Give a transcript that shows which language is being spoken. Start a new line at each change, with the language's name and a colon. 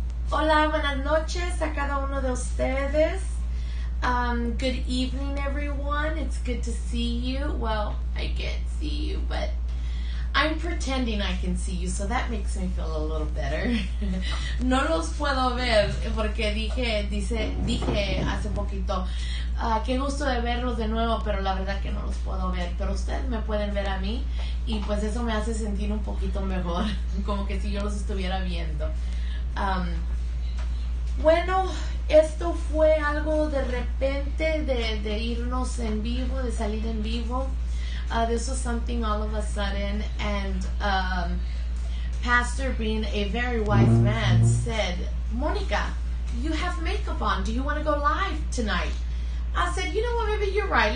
Spanish: Hola, buenas noches a cada uno de ustedes.
English: Good evening, everyone. It's good to see you. Well, I can't see you, but I'm pretending I can see you, so that makes me feel a little better.
Spanish: No los puedo ver porque dije hace poquito, qué gusto de verlos de nuevo, pero la verdad que no los puedo ver. Pero ustedes me pueden ver a mí, y pues eso me hace sentir un poquito mejor, como que si yo los estuviera viendo. Bueno, esto fue algo de repente de irnos en vivo, de salir en vivo.
English: This was something all of a sudden, and Pastor, being a very wise man, said, Monica, you have makeup on. Do you want to go live tonight? I said, you know what, baby, you're right.